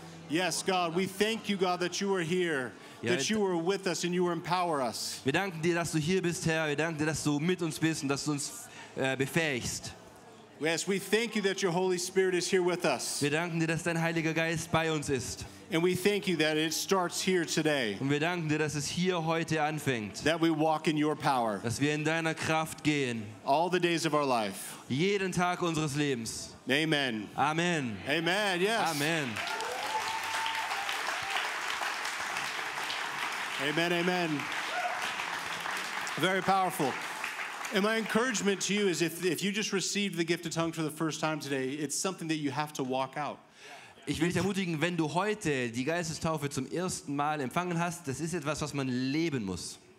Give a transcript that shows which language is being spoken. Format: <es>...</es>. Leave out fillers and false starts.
<en>Yes, God, we thank you, God, that you are here, that you are with us and you empower us.</en> <de>Wir danken dir, dass du hier bist, Herr. Wir danken dir, dass du mit uns bist und dass du uns befähigst.</de> <en>Yes, we thank you that your Holy Spirit is here with us.</en> <de>Wir danken dir, dass dein Heiliger Geist bei uns ist.</de> <en>And we thank you that it starts here today.</en> <de>Und wir danken dir, dass es hier heute anfängt.</de> <en>That we walk in your power.</en> <de>Dass wir in deiner Kraft gehen.</de> <en>All the days of our life.</en> <de>Jeden Tag unseres Lebens. Amen. Amen. Amen. Yes. Amen.</de> <en>Amen. Amen. Very powerful. And my encouragement to you is if you just received the gift of tongues for the first time today, it's something that you have to walk out.</en> <de>Ich will dich ermutigen, wenn du heute die Geistestaufe zum ersten Mal empfangen hast, das ist etwas, was man leben muss.</de>